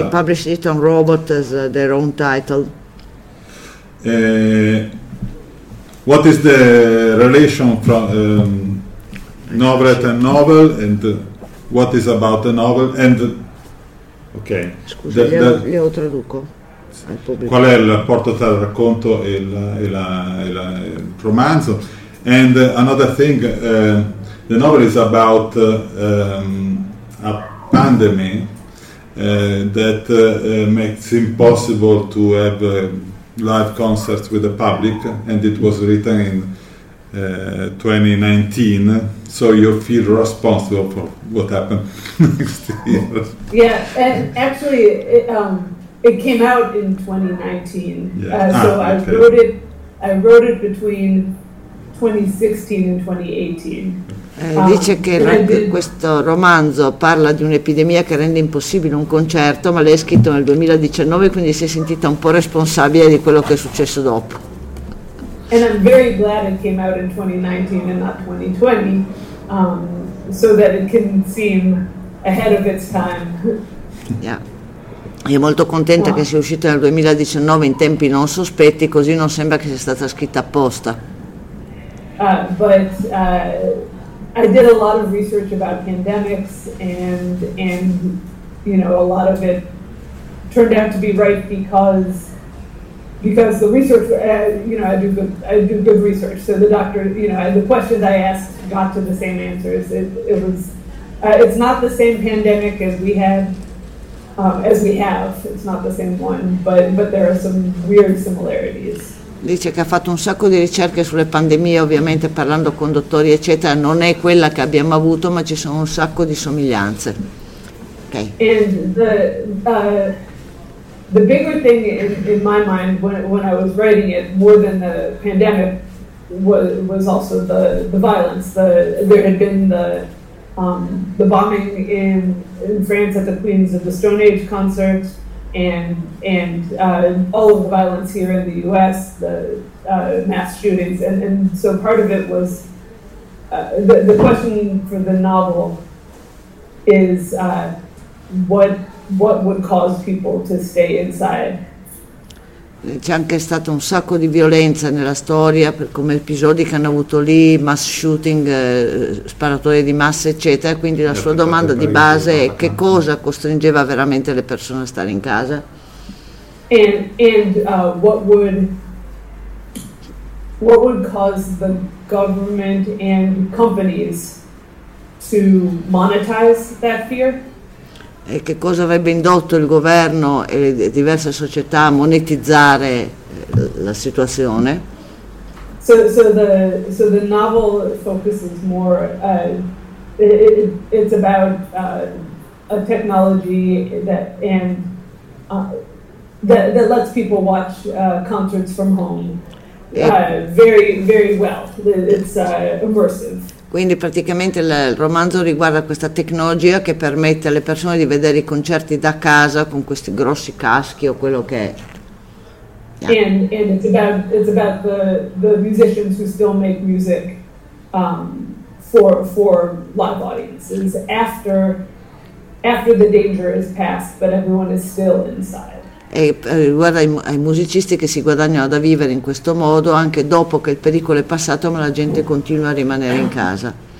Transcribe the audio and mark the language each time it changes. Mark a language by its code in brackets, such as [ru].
[en] They published it on Robot as their own title. What is the relation from novelette and novel, and what is about the novel, and okay. [it] Scusa, le traduco al pubblico. Qual è il rapporto tra il racconto e il romanzo? [en] And another thing, the novel is about a pandemic that makes impossible to have live concerts with the public, and it was written in 2019, so you feel responsible for what happened next year. Yeah, and actually it came out in 2019. Yeah. I wrote it between 2016 and 2018. [it] Dice che questo romanzo parla di un'epidemia che rende impossibile un concerto, ma l'hai scritto nel 2019, quindi si è sentita un po' responsabile di quello che è successo dopo. [en] And I'm very glad it came out in 2019 and not 2020, so that it can seem ahead of its time. Yeah. [it] È molto contenta che sia uscita nel 2019 in tempi non sospetti, così non sembra che sia stata scritta apposta. [en] But I did a lot of research about pandemics, and you know, a lot of it turned out to be right because the research, I do good research. So the doctor, you know, the questions I asked got to the same answers. It's not the same pandemic as we had, It's not the same one, but there are some weird similarities. [it] Dice che ha fatto un sacco di ricerche sulle pandemie, ovviamente parlando con dottori, eccetera. Non è quella che abbiamo avuto, ma ci sono un sacco di somiglianze. [en] Okay. And the bigger thing in my mind when I was writing it, more than the pandemic, was also the violence. There had been the bombing in France at the Queens of the Stone Age concert. And all of the violence here in the U.S., the mass shootings, and so part of it was the question for the novel is what would cause people to stay inside. [it] C'è anche stato un sacco di violenza nella storia, per come episodi che hanno avuto lì, mass shooting, sparatorie di massa, eccetera. Quindi la sua domanda di base è che cosa costringeva veramente le persone a stare in casa? [en] And what would cause the government and companies to monetize that fear? [it] E che cosa avrebbe indotto il governo e diverse società a monetizzare la situazione? [en] So the novel focuses more it's about a technology that lets people watch concerts from home very very well. It's immersive. [it] Quindi praticamente il romanzo riguarda questa tecnologia che permette alle persone di vedere i concerti da casa con questi grossi caschi o quello che è. [en] Yeah. And it's about the musicians who still make music for live audiences after the danger is passed, but everyone is still inside. [it] E riguarda ai musicisti che si guadagnano da vivere in questo modo anche dopo che il pericolo è passato, ma la gente continua a rimanere in casa.